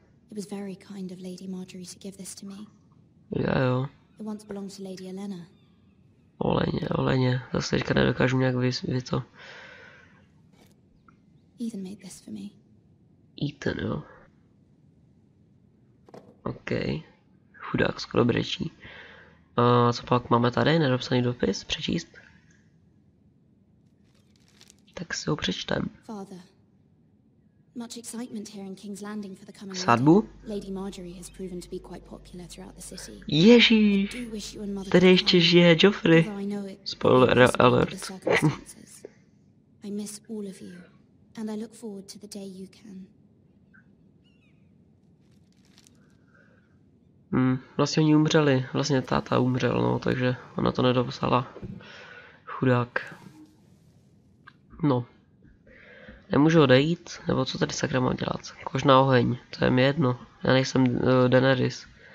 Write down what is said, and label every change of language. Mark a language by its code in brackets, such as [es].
[en] It was very kind of Lady Margaery to give this to me. Jo. It once belonged to Lady Elena. Oleně. [cs] Zase teďka nedokážu nějak vysvětlit to. [en] Ethan made this for me. Ethan, jo. [cs] Okay. Chudák skoro brečí. A co pak máme tady? Nedopsaný dopis? Přečíst? Tak si ho přečtem. [en] Father. Much excitement here in King's Landing for the coming [cs] Sadbu? [en] Lady Margaery has proven to be quite popular throughout the city. [cs] Ježí. Tady ještě žije Joffrey. [en] Spoiler alert. I miss all of you and I look forward to the day you can. [cs] Vlastně oni umřeli, vlastně táta umřel, no, takže ona to nedopsala. Chudák. No. Nemůžu odejít, nebo co tady sakra mám dělat? Kož na oheň, to je mi jedno, já nejsem Daenerys.